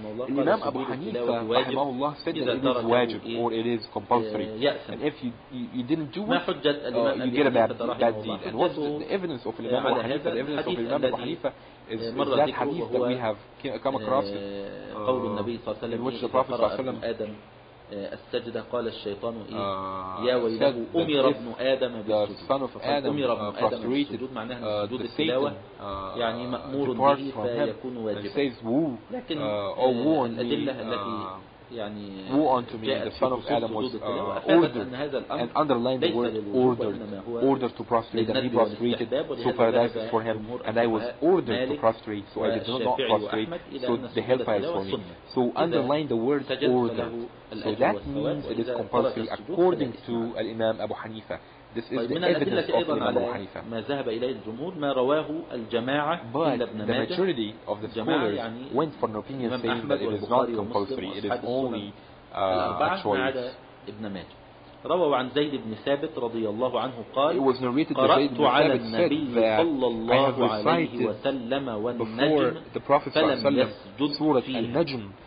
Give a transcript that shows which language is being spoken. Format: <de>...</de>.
<en>Imam Abu Hanifa rahimahullah said that it is wajib or it is compulsory. And if you didn't do it, you get a bad deed. And what's the evidence of Imam Abu Hanifa? The evidence of Imam Abu Hanifa is that hadith that we have come across in which the Prophet</en> <ar>السجده قال الشيطان ايه يا ويله امر ابن ادم بالسجود امر ابن ادم بالسجود معناها سجود التلاوه يعني مامور به فيكون واجبا لكن الادله التي يعني</ar> <en>who unto me the son of Adam was ordered and underlined the word ordered to prostrate, that he prostrated, so paradise is for him, and I was ordered to prostrate, so I did not prostrate, so the hellfire is for me. So underline the word ordered, so that means it is compulsory according to Imam Abu Hanifa. This is the evidence of Imam Abu Hanifa.</en> <ar>ما ذهب إليه الجمهور ما رواه الجماعة إلا ابن ماجه.</ar> <en>The majority of the scholars went for an opinion saying that it is not compulsory. It is only a choice.</en> <ar>ابن ماجه. روى عن زيد بن ثابت رضي الله عنه قال</ar> <en>It was narrated</en> <ar>قرأت على النبي صلى الله عليه وسلم والنجم فلم يسجد في النجم.</ar>